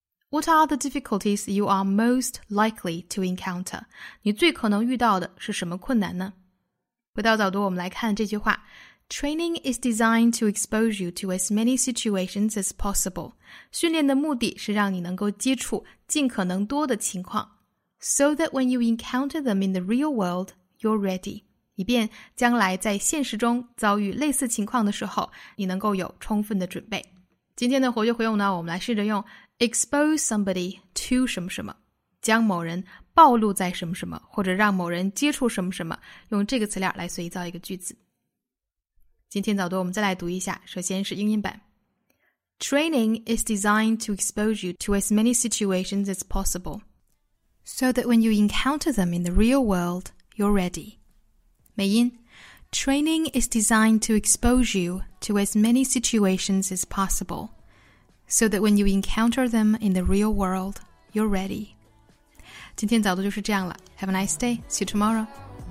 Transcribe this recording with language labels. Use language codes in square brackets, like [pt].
[en] What are the difficulties you are most likely to encounter? [zh] 你最可能遇到的是什么困难呢？回到早读，我们来看这句话。 [en] Training is designed to expose you to as many situations as possible. [zh] 训练的目的是让你能够接触尽可能多的情况。 [en] So that when you encounter them in the real world, you're ready. [zh] 以便将来在现实中遭遇类似情况的时候，你能够有充分的准备。今天的活学活用呢，我们来试着用 [en] expose somebody to [zh] 什么什么，将某人暴露在什么什么，或者让某人接触什么什么，用这个词链来随意造一个句子。今天早读我们再来读一下，首先是英音版。 [en] Training is designed to expose you to as many situations as possible, so that when you encounter them in the real world, you're ready. [zh] 美音。 [en] Training is designed to expose you to as many situations as possible, so that when you encounter them in the real world, you're ready. [zh] 今天早读就是这样了。 [en] Have a nice day. See you tomorrow.